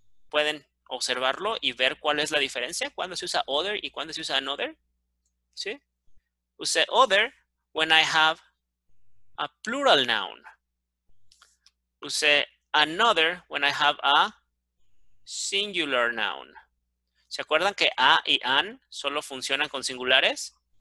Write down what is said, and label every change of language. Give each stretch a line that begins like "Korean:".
Spanish: ¿Pueden observarlo y ver cuál es la diferencia? ¿Cuándo se usa other y cuándo se usa another? ¿Sí?
English: Use other when I have a plural noun. Use another when I have a singular noun.
Spanish: ¿Se acuerdan que a y an solo funcionan con singulares?